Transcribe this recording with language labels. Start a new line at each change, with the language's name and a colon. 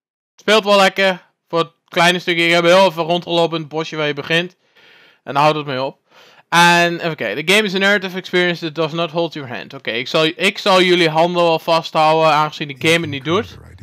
Dutch: Het speelt wel lekker. Voor het kleine stukje. Ik heb heel even rondgelopen in het bosje waar je begint. En dan houdt het mee op.
English: En oké, the game is a narrative experience that does not hold your hand.
Dutch: Oké, ik zal jullie handen wel vasthouden aangezien de game het niet doet.